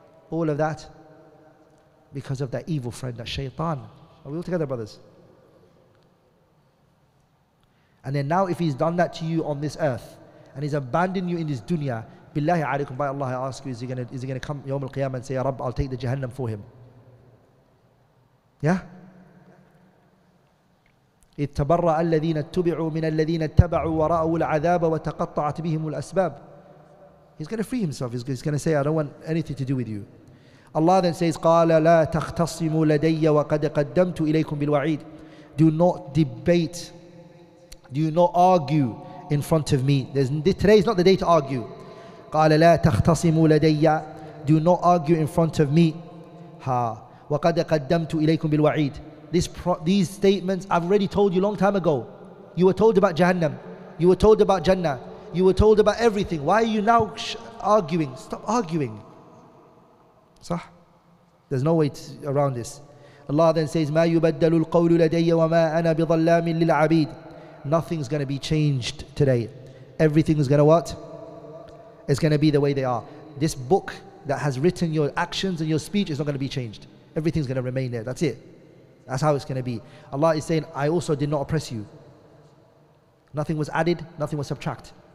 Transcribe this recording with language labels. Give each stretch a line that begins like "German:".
English: All of that because of that evil friend, that shaytan. Are we all together, brothers? And then now if he's done that to you on this earth and he's abandoned you in this dunya, billahi alaykum, by Allah, I ask you, is he gonna come yawm al-qiyamah and say, Ya Rab, I'll take the jahannam for him? Yeah?
Arabic: اتبرأ الذين اتبعوا من الذين اتبعوا ورأوا العذاب وتقطعت بهم الأسباب.
English: He's going to free himself. He's going to say, I don't want anything to do with you. Allah then says,
Arabic: قال لا تختصموا لدي وقد قدمت إليكم بالوعيد.
English: Do not debate. Do not argue in front of me. Today is not the day to argue.
Arabic: قال لا تختصموا لدي.
English: Do not argue in front of me.
Arabic: Ha. وقد قدمت إليكم بالوعيد.
English: These statements, I've already told you long time ago. You were told about Jahannam. You were told about Jannah. You were told about everything. Why are you now arguing? Stop arguing. Sah? There's no way around this. Allah then says,
Arabic: مَا يُبَدَّلُ الْقَوْلُ لَدَيَّ وَمَا أَنَا بِظَلَّامٍ لِلْعَبِيدِ.
English: Nothing's going to be changed today. Everything's going to what? It's going to be the way they are. This book that has written your actions and your speech is not going to be changed. Everything's going to remain there. That's it. That's how it's going to be. Allah is saying, I also did not oppress you. Nothing was added, nothing was subtracted.